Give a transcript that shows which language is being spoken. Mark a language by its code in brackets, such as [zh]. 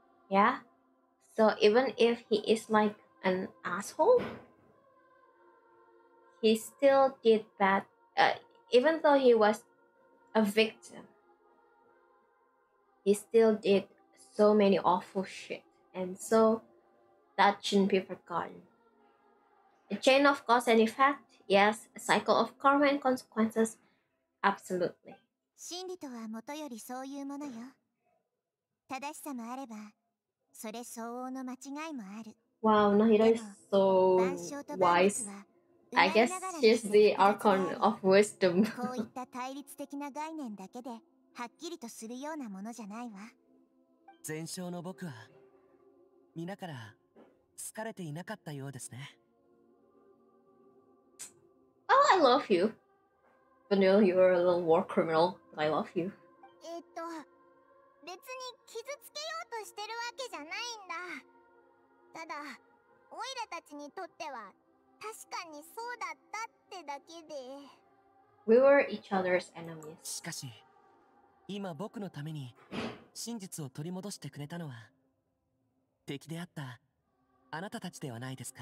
[en] Yeah? So even if he is like an asshole, he still did bad, even though he was a victim. He still did so many awful shit, and so that shouldn't be forgotten. A chain of cause and effect, yes, a cycle of karma and consequences, absolutely. [ja] 真理とは元よりそういうものよ。正しさもあれば、それ相応の間違いもある。 [en] Wow, Nahida is so wise. I guess she's the archon of wisdom. [ja] こういった対立的な概念だけで、はっきりとするようなものじゃないわ。前哨の僕は皆から好かれていなかったようですね。 [en] Oh, I love you. But no, you are a little war criminal. I love you. [ja] 別に傷つけようとしてるわけじゃないんだ。ただ、オイラたちにとっては確かにそうだったってだけで。 [en] We were each other's enemies. [ja] しかし、今僕のために真実を取り戻してくれたのは敵であったあなたたちではないですか。